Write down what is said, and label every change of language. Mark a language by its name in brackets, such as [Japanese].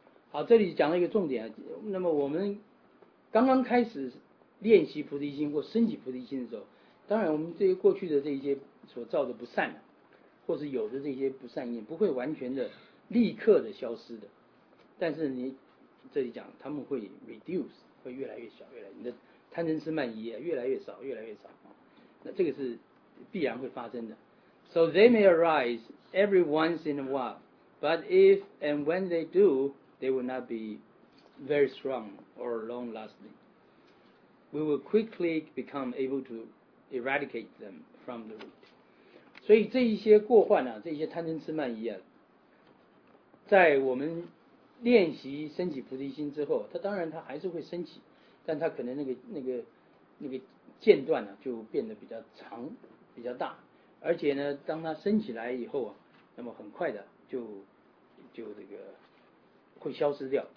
[Chinese] 好，这里讲了一个重点，那么我们刚刚开始练习菩提心或升起菩提心的时候，当然我们对于过去的这些所造的不善，或是有的这些不善业，不会完全的立刻的消失的，但是你这里讲他们会 reduce, 会越来越小，越来你的贪嗔痴慢疑越来越少越来越少，那这个是必然会发生的。 [English] So they may arise every once in a while, but if and when they do, they will not be very strong or long lasting. We will quickly become able toeradicate them from the root. [Chinese] 所以这一些过患啊，这一些贪嗔痴慢疑啊，在我们练习升起菩提心之后，它当然它还是会升起，但它可能那个间断呢、啊、就变得比较长比较大，而且呢当它升起来以后啊，那么很快的就这个会消失掉。